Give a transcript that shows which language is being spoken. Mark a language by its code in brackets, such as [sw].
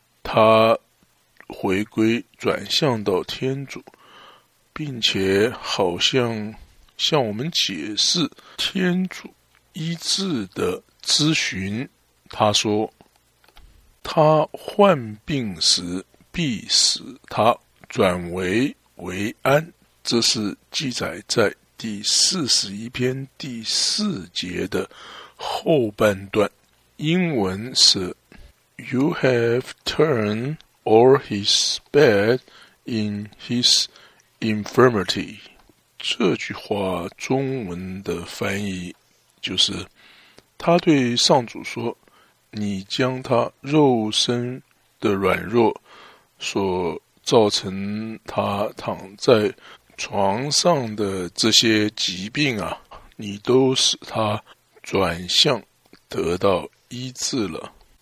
[zh] 他回归转向到天主，并且好像向我们解释天主医治的咨询。他说，他患病时必使他转危为安，这是记载在第41篇第4节的后半段。 [en] 英文是 You have turned all his bed in his infirmity。 [zh] 这句话中文的翻译就是，他对上主说，你将他肉身的软弱所造成他躺在床上的这些疾病啊，你都使他转向得到医治了。